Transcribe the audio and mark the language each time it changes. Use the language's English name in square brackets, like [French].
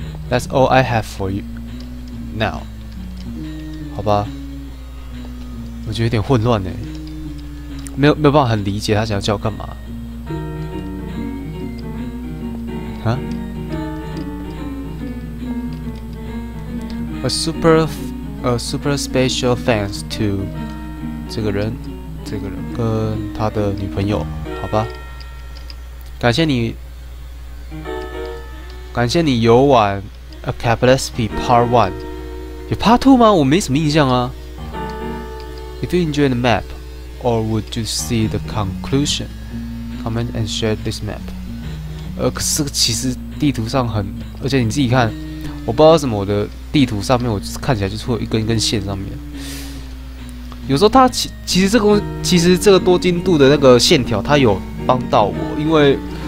[English] That's all I have for you now。 [Chinese] 好吧，我觉得有点混乱欸，没有办法很理解他想要叫我干嘛。啊 ？ [English] A super special thanks to [Chinese] 这个人跟他的女朋友，好吧，感谢你。感谢你游玩《A Capelespi Part One》，有 Part Two 吗？我没什么印象啊。 [English] If you enjoy the map, or would you see the conclusion? Comment and share this map。 [Chinese] 可是其实地图上很，而且你自己看，我不知道什么，我的地图上面我看起来就是会有一根一根线上面。有时候它其实这个多精度的那个线条，它有帮到我，因为。